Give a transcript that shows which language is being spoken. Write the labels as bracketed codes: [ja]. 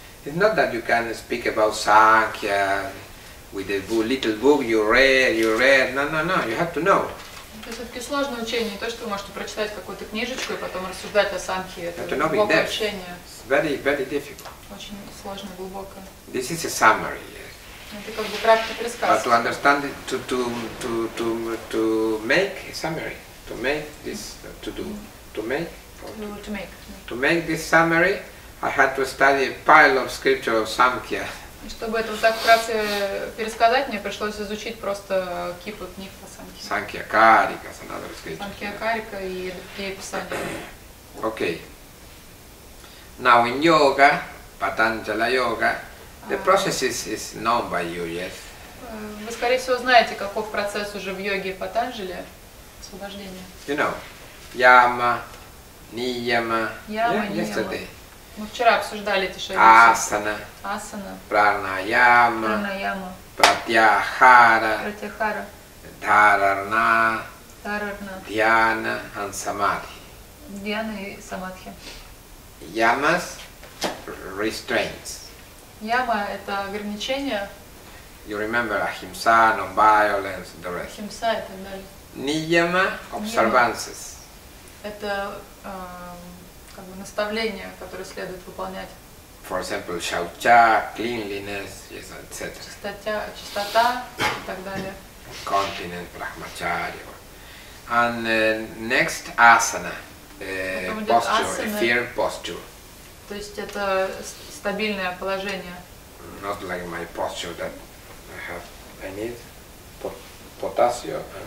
[en] It's not that you can speak about sankhya with a little book you read. No, you have to know. [ru] Это все-таки сложное учение, не то, что вы можете прочитать какую-то книжечку и потом рассуждать о санхи. Это глубокое учение. [en] Very, very difficult. [ru] Очень сложное, глубокое. [en] This is a summary. [ru] Это как бы краткий пересказ. [en] But to understand it, to make a summary, to make this, to make this summary, I had to study a pile of scripture of Samkhya. [ru] Чтобы это вот так вкратце пересказать, мне пришлось изучить просто кипы книг по Самкхе. Санкхья Карика, надо сказать. Санкхья Карика и другие писания. [en] Okay. Now in yoga, Patanjali yoga, the process is known by you, yes? [ru] Вы, скорее всего, знаете, каков процесс уже в йоге Патанджали, освобождения. [en] You know, яма, нияма, yesterday. [ru] Мы вчера обсуждали эти шаги. Асана. Асана. Пранаяма. Пранаяма. Пратьяхара. Пратьяхара. Дхарарна. Дхарарна. Дьяна ан самадхи. Дьяна и самадхи. [en] Ямас restraints. [ru] Яма – это ограничение. [en] You remember ахимса, non-violence, the rest. [ru] Ахимса – это далее. [en] Нияма – observances. [ru] Это как бы наставления, которые следует выполнять. [en] For example, шауча, cleanliness, yes, etc. [ru] Чистота и так далее. [en] Continent, брахмачарья. And next, asana. Posture, asana, a firm posture. [ru] То есть это стабильное положение. [en] Not like my posture that I need potassium.